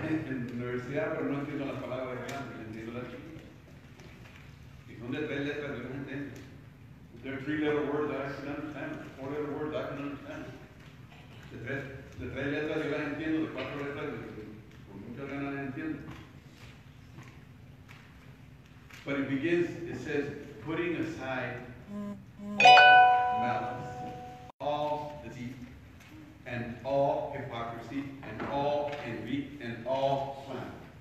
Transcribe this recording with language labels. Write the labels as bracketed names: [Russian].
[Spanish] En universidad, pero no entiendo las palabras grandes. Entiendo las chicas. Y son de tres letras, yo no entiendo. [English] There are three-letter words that I can understand. Four-letter words I can understand. [Spanish] De tres letras yo las entiendo. De cuatro letras yo con muchas ganas las entiendo. [English] But it begins. It says, putting aside malice, all deceit, and all hypocrisy, and all envy, and all slander.